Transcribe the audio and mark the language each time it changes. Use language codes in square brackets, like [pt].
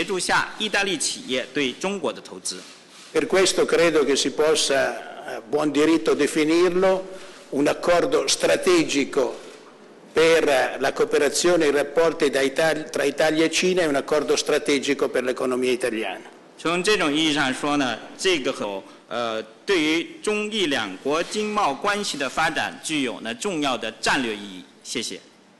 [zh] 我们会和国家电网的朋友，到现在呢，我们可以称为呢国家电网的同事为朋友了。那么呢，我们将跟他们一起呢共同探讨呢有关中国企业他们对意大利的对于我们的投资，以及中国企业对意大利的投资，还有在我们协助下意大利企业对中国的投资。 [it] Per questo credo che si possa a buon diritto definirlo un accordo strategico per la cooperazione e i rapporti tra Italia e Cina e un accordo strategico per l'economia italiana. [zh] 从这种意义上说呢，这个和对于中意两国经贸关系的发展具有呢重要的战略意义。谢谢。